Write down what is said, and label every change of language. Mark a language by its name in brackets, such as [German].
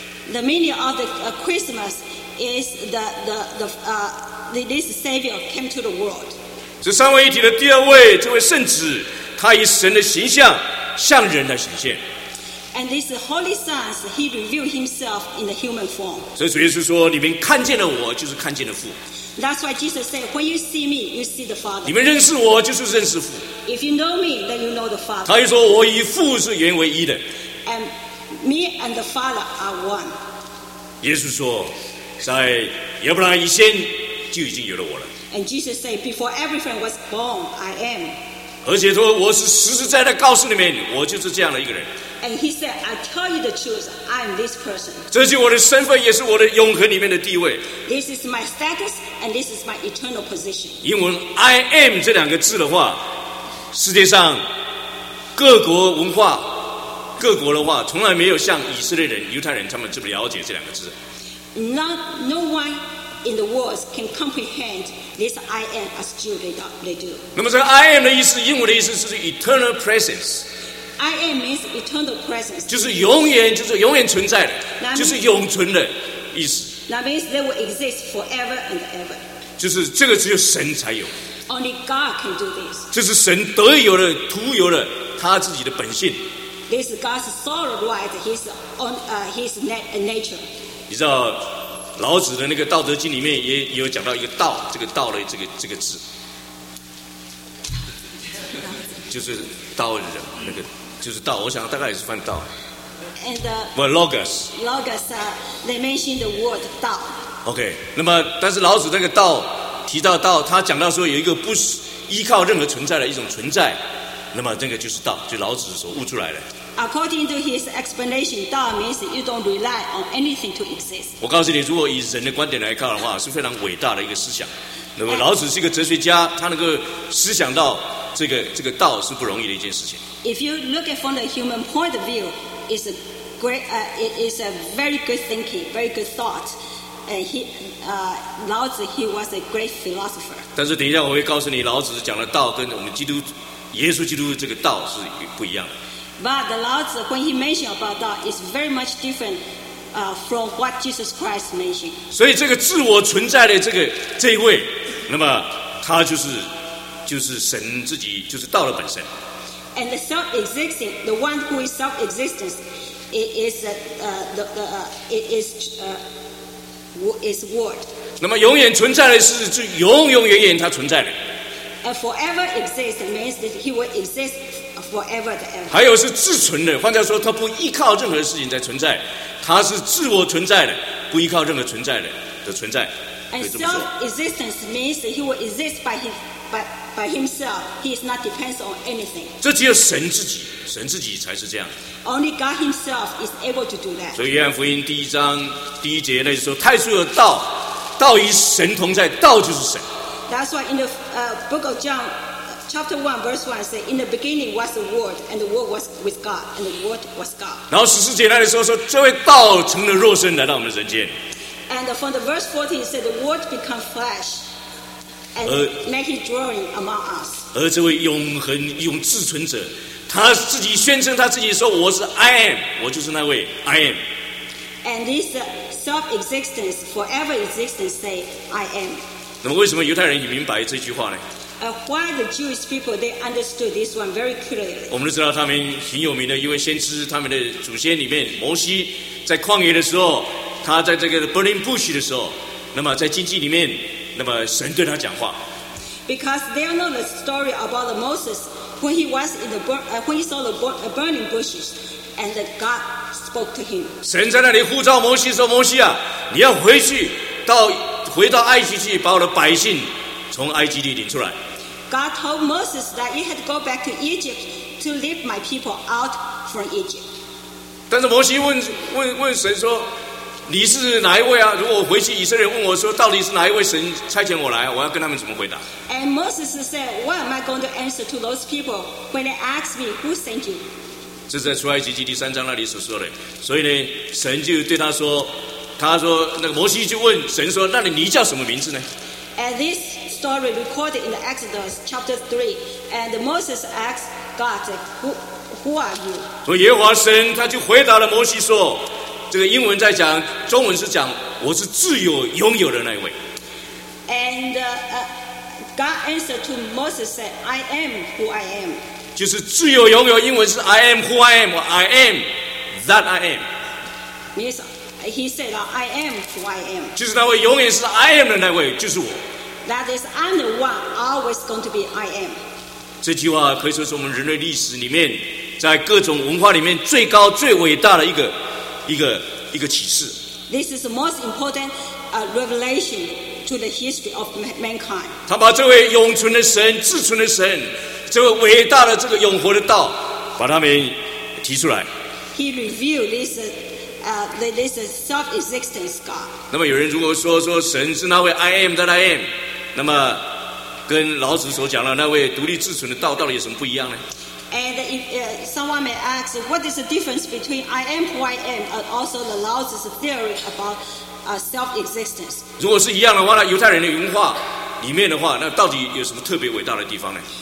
[English] The meaning of the Christmas is this Savior came to the world. [Chinese] 这三位一体的第二位，这位圣子，他以神的形象。向人来显现。 [English] And this Holy Son, he revealed himself in the human form. [Chinese] 所以主耶稣说，你们看见了我，就是看见了父。 [English] That's why Jesus said, when you see me, you see the Father. [Chinese] 你们认识我，就是认识父。 [English] If you know me, then you know the Father. [Chinese] 他又说，我与父是原为一的。 [English] And me and the Father are one. [Chinese] 耶稣说，在亚伯拉罕以先就已经有了我了。 [English] And Jesus said, before everything was born, I am. [Chinese] 而且说我是实实在在告诉你们，我就是这样的一个人。 [English] And he said, I tell you the truth, I'm this person. [Chinese] 这是我的身份，也是我的永恒里面的地位。 [English] This is my status, and this is my eternal position. [Chinese] 英文 I am 这两个字的话，世界上各国文化各国的话，从来没有像以色列人、犹太人他们这么了解这两个字。 [English] No one in the world can comprehend this I am as Jew they do. [Chinese] 那么这个 I am 的意思，英文的意思是 [English] eternal presence。 I am means eternal presence， [Chinese] 就是永远存在的， [English] means, [Chinese] 就是永存的意思。 [English] That means they will exist forever and ever。 [Chinese] 就是这个只有神才有。 [English] Only God can do this。 [Chinese] 这是神得有的、徒有的他自己的本性。 [English] This is God's solid right, his on his nature。 [Chinese] 你知道老子的那个《道德经》里面也有讲到一个“道”，这个“道”的这个字，就是道人，那个就是道。我想大概也是翻道。 [English] And logos. Logos, they mention the word 道。 [Chinese] OK， 那么但是老子那个道提到道，他讲到说有一个不依靠任何存在的一种存在，那么那个就是道，就老子所悟出来的。 [English] According to his explanation, Dao means you don't rely on anything to exist. [Chinese] 我告诉你，如果以人的观点来看的话，是非常伟大的一个思想。那么老子是一个哲学家，他能够思想到这个道是不容易的一件事情。 [English] If you look at from the human point of view, it's a great, it is a very good thinking, very good thought. And Lao Zi, he was a great philosopher. [Chinese] 但是等一下我会告诉你，老子讲的道跟我们基督耶稣基督这个道是不一样的。 [English] But the Lao Zi, when he mentioned about that, is very much different from what Jesus Christ mentioned. [Chinese] 所以这个自我存在的这一位，那么他就是神自己，就是道的本身。 [English] And the self-existing, the one who is self-existence, it is word. [Chinese] 那么永远存在的是就永永远远他存在的。 [English] And forever exists means that he will exist. Forever and ever. [Chinese] 还有是自存的，换句话说，他不依靠任何事情在存在，他是自我存在的，不依靠任何存在的存在。 [English] And self-existence means he will exist by himself. He is not dependent on anything. [Chinese] 这只有神自己才是这样。 [English] Only God Himself is able to do that. [Chinese] 所以约翰福音第一章第一节那就说，太初有道，道与神同在，道就是神。 [English] That's why in the book of John. Chapter 1, verse 1 says, In the beginning was the Word, and the Word was with God, and the Word was God. [Chinese] 然后十四节那里说这位道成了肉身来到我们人间。 [English] And from the verse 14, it says, The Word became flesh, and made his dwelling among us. [Chinese] 而这位永恒、永自存者，他自己宣称他自己说，我是 I am, 我就是那位 I am. [English] And this self-existence, forever existence, say, I am. [Chinese] 那么为什么犹太人也明白这句话呢？ [English] Why the Jewish people they understood this one very clearly? [Chinese] 我们都知道他们很有名的一位先知，他们的祖先里面摩西，在旷野的时候，他在这个 burning bush 的时候，那么在荆棘里面，那么神对他讲话。 [English] Because they know the story about Moses when he was in the when he saw the burning bushes and that God spoke to him. [Chinese] 神在那里呼召摩西说：“摩西啊，你要回到埃及去，把我的百姓。” 从埃及地领出来。 [English] God told Moses that he had to go back to Egypt to lead my people out from Egypt. [Chinese] 但是摩西问神说：“你是哪一位啊？如果回去，以色列问我说，到底是哪一位神差遣我来？我要跟他们怎么回答 [English] ？”And Moses said, "What am I going to answer to those people when they ask me who sent you?" [Chinese] 这是在出埃及记第三章那里所说的。所以呢，神就对他说：“他说那个摩西就问神说，那你叫什么名字呢？” [English] And this. Story recorded in the Exodus chapter 3, and Moses asked God, "Who are you?" [Chinese] 所以耶和华神他就回答了摩西说，这个英文在讲，中文是讲，我是自由拥有的那一位。 [English] And God answered to Moses, "Said, I am who I am." [Chinese] 就是自由拥有，英文是 [English] "I am who I am" [Chinese] or [English] "I am that I am." Yes, he said, "I am who I am." [Chinese] 就是那位永远是 I am 的那位，就是我。 [English] That is, I'm the one always going to be. I am. [Chinese] 这句话可以说是我们人类历史里面，在各种文化里面最高、最伟大的一个启示。 [English] This is the most important revelation to the history of mankind. [Chinese] 他把这位永存的神、至存的神，这位伟大的这个永活的道，把他们提出来。 [English] He revealed this. This is self-existence God. [Chinese] 那么有人如果说神是那位 [English] I am that I am， [Chinese] 那么跟老子所讲的那位独立自存的道到底有什么不一样呢？ [English] And if someone may ask, what is the difference between I am who I am and also the Laozi's theory about self-existence? [Chinese] 如果是一样的话，那犹太人的文化里面的话，那到底有什么特别伟大的地方呢？